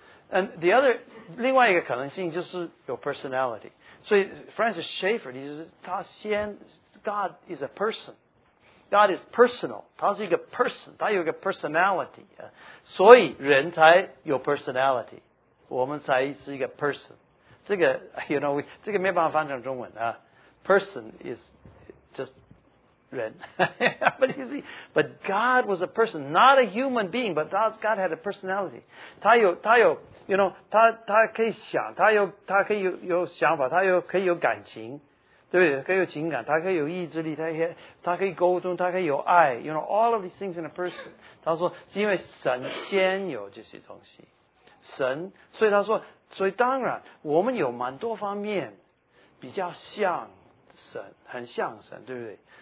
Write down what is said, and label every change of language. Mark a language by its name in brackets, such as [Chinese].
[English] And the other, [Chinese] 另外一个可能性就是有 personality. 所以 Francis Schaeffer, 就是他先 [English] God is a person. God is personal. [Chinese] 他是一个 person, 他有一个 personality. 所以人才有 personality. 我们才是一个 person. 这个 you know, 这个没办法翻成中文啊。 [English] Person is just 人。 But you see, but God was a person, not a human being, but God had a personality. [Chinese] 他有 you know, 他可以想，他可以 有想法，他有可以有感情，对不对？可以有情感，他可以有意志力，他可以沟通，他可以有爱， you know, [English] all of these things in a person. [Chinese] 他说是因为神先有这些东西。神，所以他说，所以当然我们有蛮多方面比较像神，很像神，对不对？